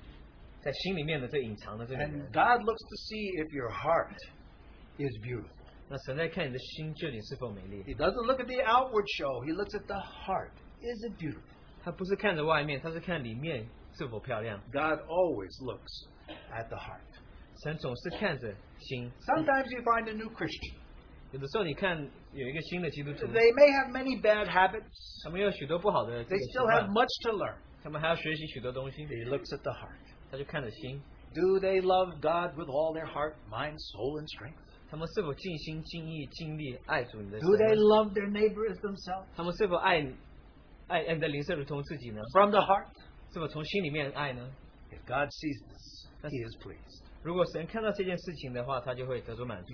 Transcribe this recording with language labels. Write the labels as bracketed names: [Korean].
[Chinese] 那每一位姊妹都有这个在心里面的这隐藏的这个人。 [English] And God looks to see if your heart is beautiful. He doesn't look at the outward show. He looks at the heart. Is it beautiful? [Chinese] 他不是看着外面，他是看里面是否漂亮。 [English] God always looks at the heart. [Chinese] 神总是看着心。 [English] Sometimes you find a new Christian. [Chinese] 有的时候你看有一个新的基督徒。 [English] They may have many bad habits. [Chinese] 他们有许多不好的习惯。 [English] They still have much to learn. [Chinese] 他们还要学习许多东西。 [English] He looks at the heart. [Chinese] 他就看着心。 [English] Do they love God with all their heart, mind, soul, and strength? [Chinese] 他们是否尽心尽意尽力爱主你的神呢? [English] Do they love their neighbor as themselves? [Chinese] 他们是否爱你的邻舍如同自己呢? [English] From the heart? [Chinese] 是否从心里面爱呢? [English] If God sees this, he is pleased. [Chinese] 如果神看到这件事情的话, 他就会得到满足。